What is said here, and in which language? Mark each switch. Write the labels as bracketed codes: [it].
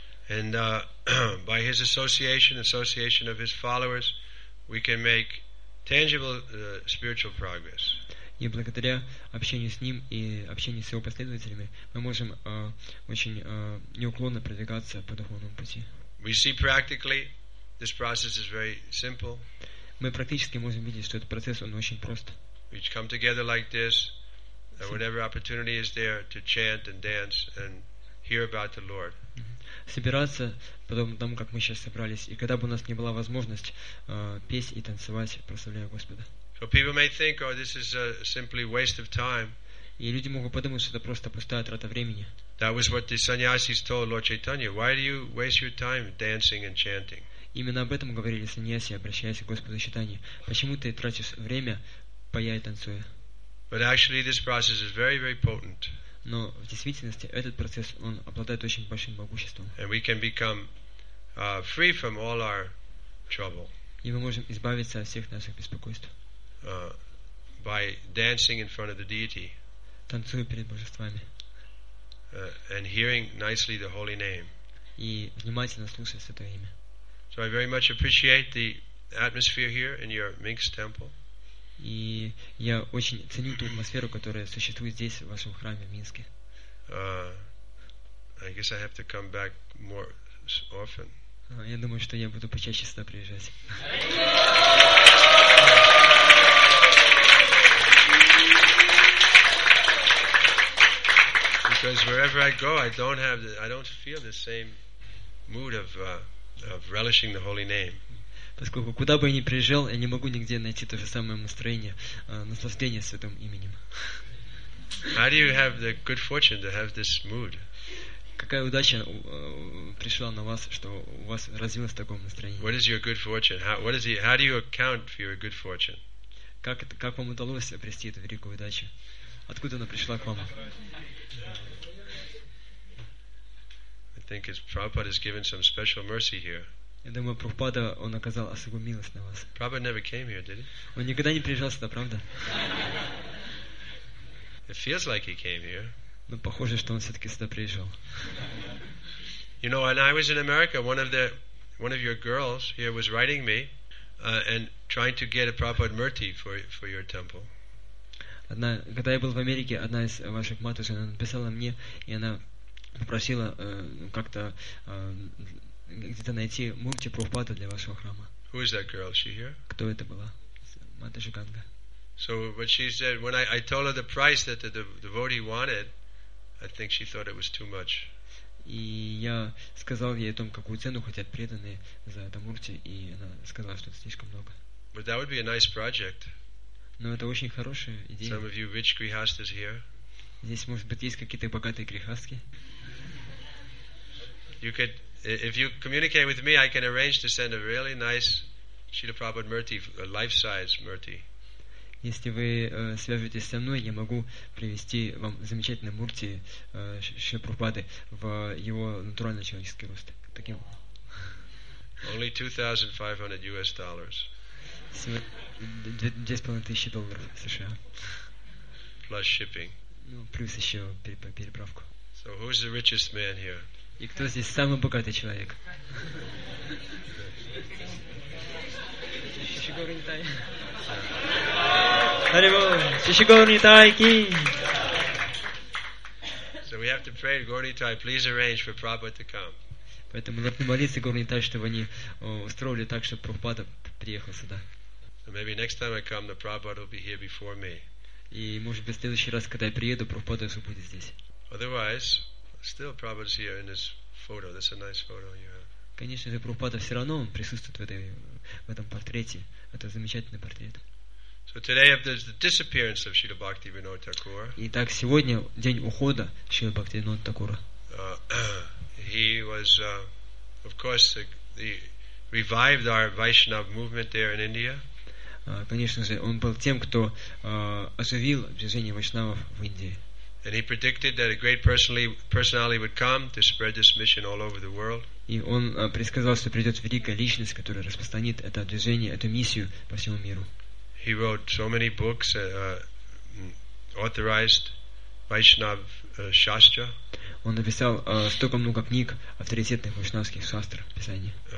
[en] And by his association of his followers, we can make tangible spiritual progress. [ru] И благодаря общению с ним и общению с его последователями мы можем очень неуклонно продвигаться по духовному пути. [en] We see practically this process is very simple. [ru] Мы практически можем видеть, что этот процесс он очень прост. [en] We come together like this, whenever opportunity is there to chant and dance and hear about the Lord. [ru] Собираться потом там, как мы сейчас собрались, и когда бы у нас не была возможность петь и танцевать, прославляя Господа. [en] So people may think, oh, this is simply waste of time. [ru] И люди могут подумать, что это просто пустая трата времени. [en] That was what the sannyasis told Lord Chaitanya. Why do you waste your time dancing and chanting? [ru] Именно об этом говорили сannyasi, обращаясь к Господу Чайтанье. Почему ты тратишь время, поя и танцуя? [en] But actually, this process is very, very potent. [ru] Но в действительности этот процесс он обладает очень большим могуществом. [en] And we can become free from all our trouble. [ru] И мы можем избавиться от всех наших беспокойств. [en] By dancing in front of the deity. [ru] Танцуя перед божествами. [en] And hearing nicely the holy name. [ru] И внимательно слушая святое имя. [en] So I very much appreciate the atmosphere here in your Minx temple. [ru] И я очень ценю ту атмосферу, которая существует здесь в вашем храме в Минске. [en] I guess I have to come back more often. [ru] Я думаю, что я буду почаще сюда приезжать. [en] Because wherever I go, I don't feel the same mood of relishing the holy name. [ru] Поскольку куда бы я ни приезжал, я не могу нигде найти то же самое настроение, наслаждение святым именем. [en] How do you have the good fortune to have this mood? [ru] Какая удача пришла на вас, что у вас развилось такое настроение? [en] What is your good fortune? How do you account for your good fortune? [ru] Как вам удалось обрести эту великую удачу? Откуда она пришла к вам? [en] I think Prabhupada has given some special mercy here. [ru] Я думаю, Прабхупада он оказал особую милость на вас. [en] Prabhupada never came here, did he? [ru] Он никогда не приезжал сюда, правда? [en] It feels like he came here. [ru] Но похоже, что он все-таки сюда приезжал. [en] You know, when I was in America, one of your girls here was writing me and trying to get a Prabhupada murti for your temple. [ru] Когда я был в Америке, одна из ваших матушек написала мне, и она попросила как-то где-то найти мурти Прабхупады для вашего храма. [en] Who is that girl? She here? [ru] Кто это была? Матуша Ганга. [en] So what she said when I told her the price that the devotee wanted, I think she thought it was too much. [ru] И я сказал ей о том, какую цену хотят преданные за это мурти, и она сказала, что это слишком много. [en] But that would be a nice project. [ru] Но это очень хорошая идея. [en] Some of you rich grihasthas here. [ru] Здесь, может быть, есть какие-то богатые грихастки. [en] You could, if you communicate with me, I can arrange to send a really nice Srila Prabhupada murti, a life-size murti. [ru] Если вы свяжетесь со мной, я могу привезти вам замечательный мурти Шри Прабхупады в его натуральный человеческий рост. Таким. [en] Only $2,500. [ru] $2,500 [en] Plus shipping. [ru] Ну плюс еще переправку. [en] So who's the richest man here? [ru] И кто здесь самый богатый человек? Чичигор Нитай. Чичигор Нитай Ки. [en] So So we have to pray to Gaudiya, please arrange for Prabhupada to come. [ru] Поэтому нужно молиться Гаудиятай, чтобы они устроили так, чтобы Прабхупада приехал сюда. [en] So maybe next time I come, the Prabhupada will be here before me. [ru] И может быть в следующий раз, когда я приеду, Прабхупада уже будет здесь. [en] Otherwise, still Prabhupada's here in his photo. That's a nice photo you have. [ru] Конечно же, Прабхупада все равно он присутствует в этом портрете. Это замечательный портрет. [en] So today there's the disappearance of Srila Bhaktivinoda Thakur. [ru] Итак, сегодня день ухода Шрила Бхактивинода Такура. [en] He was, of course, the revived our Vaishnava movement there in India. [ru] Конечно же, он был тем, кто оживил движение вайшнавов в Индии. [en] And he predicted that a great personality would come to spread this mission all over the world. [ru] И он предсказал, что придет великая личность, которая распространит это движение, эту миссию по всему миру. [en] He wrote so many books, authorized Vaishnav Shastra. [ru] Он написал столько много книг авторитетных вайшнавских шастр, писаний.